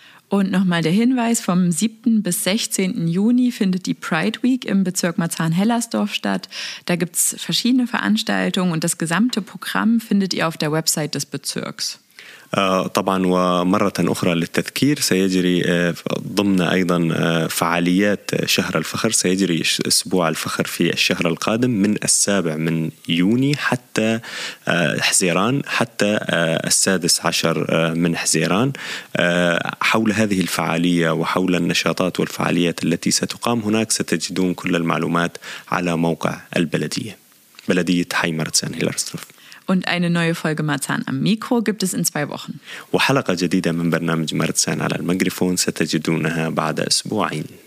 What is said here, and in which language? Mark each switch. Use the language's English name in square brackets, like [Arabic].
[German] Und nochmal der Hinweis, vom 7. bis 16. Juni findet die Pride Week im Bezirk Marzahn-Hellersdorf statt. Da gibt es verschiedene Veranstaltungen und das gesamte Programm findet ihr auf der Website des Bezirks. [Arabic] طبعا ومرة أخرى للتذكير سيجري ضمن أيضا فعاليات شهر الفخر سيجري أسبوع الفخر في الشهر القادم من 7 يونيو حتى حزيران حتى 16 من حزيران حول هذه الفعالية وحول النشاطات والفعاليات التي ستقام هناك ستجدون كل المعلومات على موقع البلدية بلدية حي مرتسان هيلرسدورف. [German] Und eine neue Folge Marzahn am Mikro gibt es in 2 Wochen. [Arabic] وحلقة جديدة من برنامج مرتسان على الميكروفون ستجدونها بعد أسبوعين.